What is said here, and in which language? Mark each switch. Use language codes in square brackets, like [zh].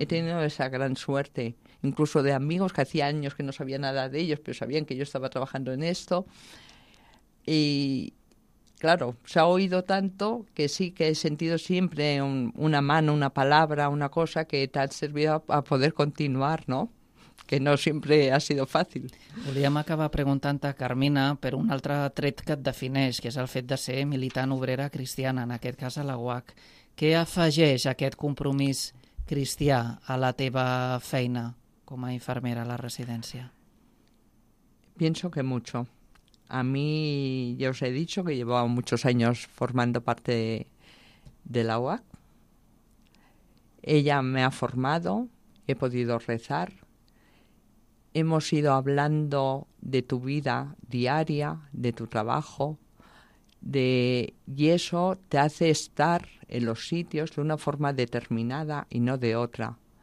[es] He tenido esa gran suerte, incluso de amigos que hacía años que no sabía nada de ellos, pero sabían que yo estaba trabajando en esto. Y claro, se ha oído tanto que sí que he sentido siempre una mano, una palabra, una cosa que te ha servido a poder continuar, ¿no? Que no siempre ha sido fácil. [ca] Volíem acabar preguntant-te, Carmina, per un altre tret que et defineix, que és el fet de ser militant obrera cristiana, en aquest cas a la UAC. Què afegeix aquest compromís cristià a la teva feina com a infermera a la residència? [es] Pienso que mucho. A mí, ya os he dicho que llevo muchos años formando parte de la UAC. Ella me ha formado, he podido rezar. Hemos ido hablando de tu vida diaria, de tu trabajo, y eso te hace estar en los sitios de una forma determinada y no de otra.